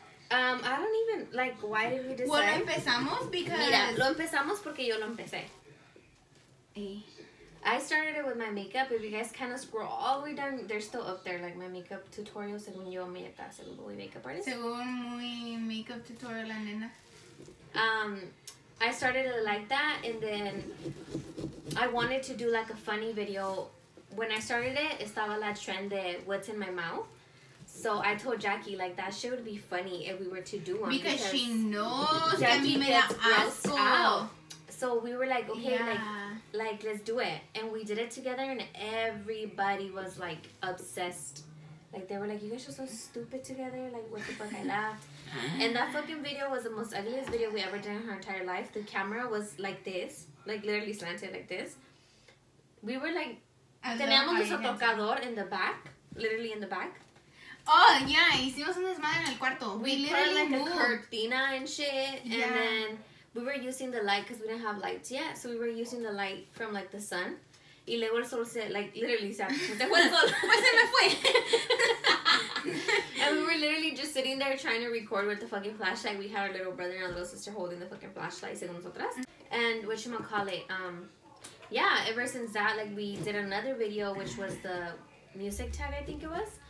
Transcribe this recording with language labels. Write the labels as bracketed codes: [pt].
[en] I don't even, like, why did we decide? [es] Bueno, [en] well, [es] empezamos because... Mira, lo empezamos porque yo lo empecé. [en] Hey. I started it with my makeup. If you guys kind of scroll all the way down, they're still up there. Like, my makeup tutorial, [es] según yo, mi etapa, según muy [en] makeup artist. [es] Según muy makeup tutorial, la nena. [en] I started it like that, and then I wanted to do like a funny video. When I started it, [es] estaba la trend de [en] what's in my mouth. So I told Jackie, like, that shit would be funny if we were to do one. Because she knows that we made that out. So we were like, okay, yeah. Like, like, let's do it. And we did it together, and everybody was, like, obsessed. Like, they were like, you guys are so stupid together. Like, what the fuck? I laughed. And that fucking video was the most ugliest video we ever did in our entire life. The camera was like this. Like, literally slanted like this. We were, like, [es] teníamos un tocador [en] in the back. Literally in the back. [es] Oh, yeah. Hicimos un desmadre en el cuarto. [en] We literally put, like, moved a cortina and shit. Yeah. And then we were using the light because we didn't have lights yet. So we were using the light from, like, the sun. [es] Y luego el sol se, [en] like, literally, [es] se fue el sol. Pues se me fue. [en] And we were literally just sitting there trying to record with the fucking flashlight. We had our little brother and our little sister holding the fucking flashlight, [es] según nosotras. [en] And whatchamacallit, yeah, ever since that, like, we did another video, which was the music tag, I think it was.